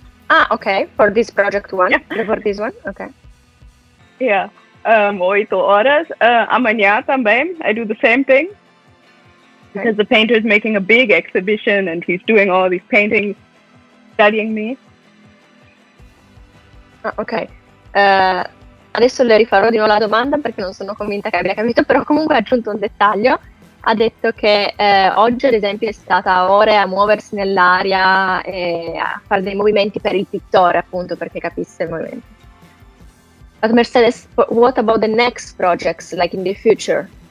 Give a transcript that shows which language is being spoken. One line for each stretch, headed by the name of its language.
English: Ah, okay. For this project one? Yeah. For this one? Okay. Yeah.
Portuguese: 8 horas. Amanhã também.
English: I do the same thing. Because the painter is making a big exhibition and he's doing all these paintings, studying me. Ah, ok.
Italian: Adesso le rifarò di nuovo la domanda perché non sono convinta che abbia capito, però comunque ha aggiunto un dettaglio. Ha detto che oggi, ad esempio, è stata ore a muoversi nell'aria e a fare dei movimenti per il pittore, appunto, perché capisse il movimento.
English: But Mercedes, what about the next projects, like in the future?